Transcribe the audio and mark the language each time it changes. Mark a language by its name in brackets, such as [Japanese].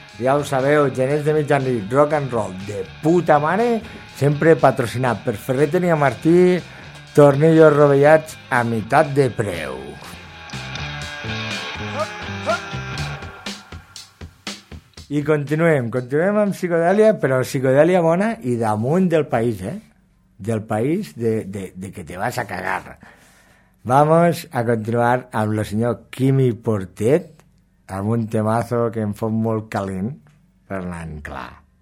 [Catalan] Ja ho sabeu, genets de mitjanit, rock and roll de puta mare, sempre patrocinat per Ferreteria Martí, tornillos rovellats a meitat de preu. I continuem amb psicodèlia, però psicodèlia bona i damunt del país, eh? [Spanish] Del país de que te vas a cagar. Vamos a continuar [Catalan] amb el senyor Quimi Portet, amb un temazo que em fot molt calent, parlant clar.